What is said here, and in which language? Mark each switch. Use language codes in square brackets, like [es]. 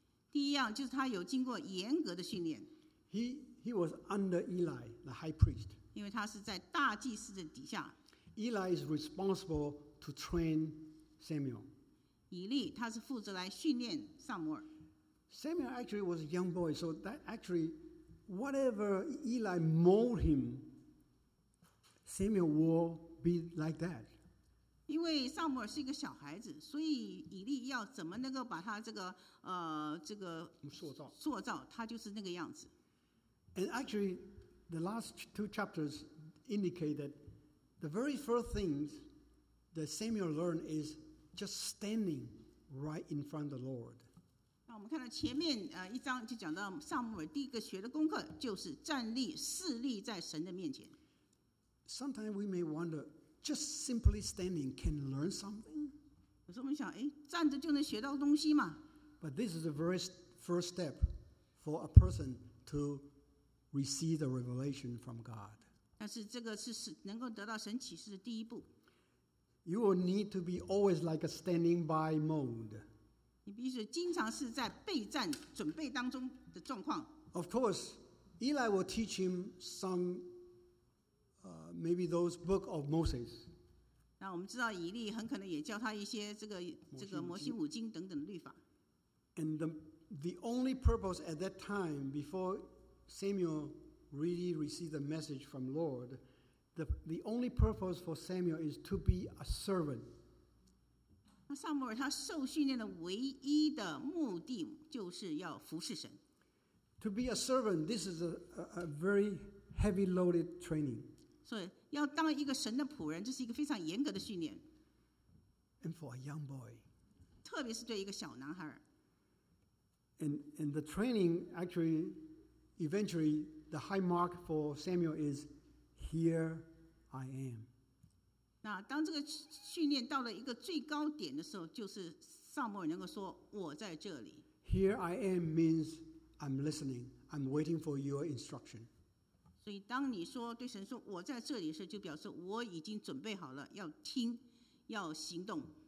[zh] 第一样就是他有经过严格的训练。 [en] He was under Eli, the high priest. [zh] 因为他是在大祭司的底下。 [en] Eli is responsible to train Samuel. [zh] 以利他是负责来训练撒母耳。 [en] Samuel actually was a young boy, so that actually, whatever Eli mold him, Samuel will be like that. [zh] 因为撒母耳是一个小孩子，所以以利要怎么能够把他这个这个塑造，他就是那个样子。 [en] And actually, the last two chapters indicate that the very first things that Samuel learned is just standing right in front of the Lord. [zh] 那我们看到前面一章就讲到撒母耳第一个学的功课就是站立，侍立在神的面前。 [en] Sometimes we may wonder, just simply standing can learn something? [zh] 有时候我们想，哎，站着就能学到东西吗？ [en] But this is the very first step for a person to receive the revelation from God. [zh] 但是这个是能够得到神启示的第一步。 [en] You will need to be always like a standing by mode. [zh] 你必须经常是在备战准备当中的状况。 [en] Of course, Eli will teach him some maybe those book of Moses. [zh] 那我们知道以利很可能也教他一些这个摩西五经等等的律法。 [en] And the only purpose at that time before Samuel really received the message from Lord, the only purpose for Samuel is to be a servant. [zh] 那撒母耳他受训练的唯一的目的就是要服侍神。 [en] To be a servant, this is a very heavy loaded training. [zh] 所以要当一个神的仆人，这是一个非常严格的训练。 [en] And for a young boy, [zh] 特别是对一个小男孩。 [en] And the training actually. Eventually, the high mark for Samuel is, "Here I am." [zh] 那当这个训练到了一个最高点的时候，就是撒母耳能够说，我在这里。 [en] Here I am means I'm listening. I'm waiting for your instruction. [zh] 所以当你说对神说我在这里的时候，就表示我已经准备好了，要听，要行动。